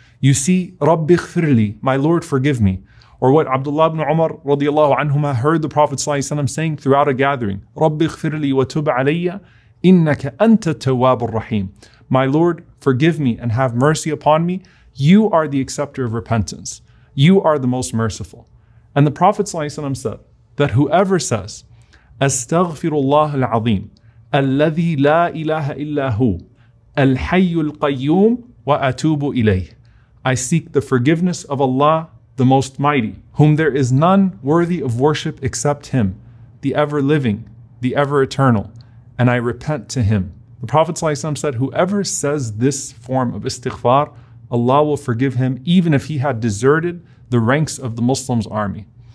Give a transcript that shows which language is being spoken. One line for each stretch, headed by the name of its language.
English: You see,
Arabic: رَبِّ اغْفِرْ لِي,
English: my Lord, forgive me. Or what Abdullah ibn Umar radiallahu anhuma heard the Prophet sallallahu alayhi wa sallam saying throughout a gathering,
Arabic: رَبِّ اغْفِرْ لِي وَتُبْ عَلَيَّ إِنَّكَ أَنْتَ التَّوَّابُ الرَّحِيمُ.
English: My Lord, forgive me and have mercy upon me. You are the acceptor of repentance. You are the most merciful. And the Prophet sallallahu alayhi wa sallam said that whoever says,
Arabic: أَسْتَغْفِرُ اللَّهَ الْعَظِيمُ الَّذِي لَا إِلَهَ إِلَّا هُوَ الْحَيُّ الْقَيُّومُ وَأَتُوبُ إِلَيْهِ.
English: I seek the forgiveness of Allah, the Most Mighty, whom there is none worthy of worship except Him, the ever-living, the ever-eternal, and I repent to Him. The Prophet ﷺ said, whoever says this form of istighfar, Allah will forgive him even if he had deserted the ranks of the Muslims' army.